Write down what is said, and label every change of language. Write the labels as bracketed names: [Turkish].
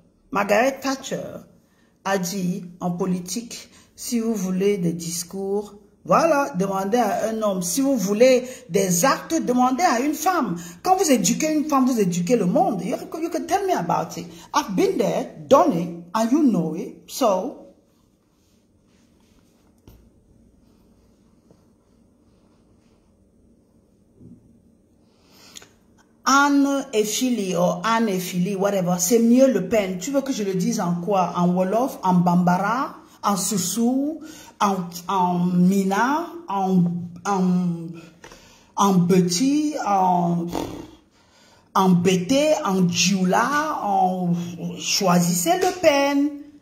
[French] Margaret Thatcher a dit en politique, si vous voulez des discours, voilà, demandez à un homme. Si vous voulez des actes, demandez à une femme. Quand vous éduquez une femme, vous éduquez le monde. [English] You can tell me about it. I've been there, done it, and you know it. So, [French] Anne et Philly, [English] or [French] Anne et Philly, [English] whatever, [French] c'est mieux Le Pen. Tu veux que je le dise en quoi? En Wolof, en Bambara, en Soussou, en Mina, en Betty, en Bété, en Djoula, en choisissez Le Pen.